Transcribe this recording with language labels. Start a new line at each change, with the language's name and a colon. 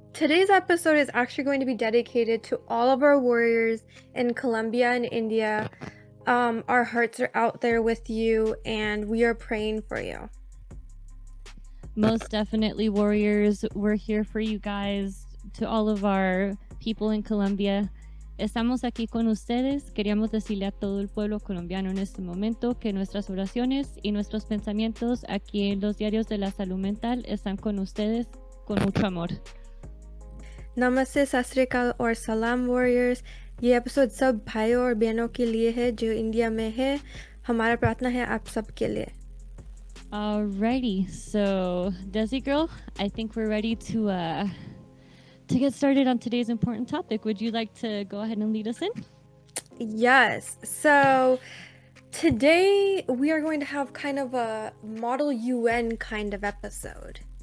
English: Today's episode is actually going to be dedicated to all of our warriors in Colombia and India. Our hearts are out there with you, and we are praying for you. Most definitely, warriors, we're here for you guys, to all of our people in Colombia.
Spanish: Estamos aquí con ustedes. Queríamos decirle a todo el pueblo colombiano en este momento que nuestras oraciones y nuestros pensamientos aquí en los diarios de la salud mental están con ustedes con mucho amor.
Hindi: नमस्ते, सस्रीकाल और सलाम, warriors. ये episode सब भाइयो और बहनो के लिए है जो इंडिया में है। हमारा प्रार्थना है आप सब के लिए।
English: Alrighty, so Desi Girl, I think we're ready to get started on today's important topic. Would you like to go ahead and lead us in? Yes, so today we are going to have kind of a model UN kind of episode.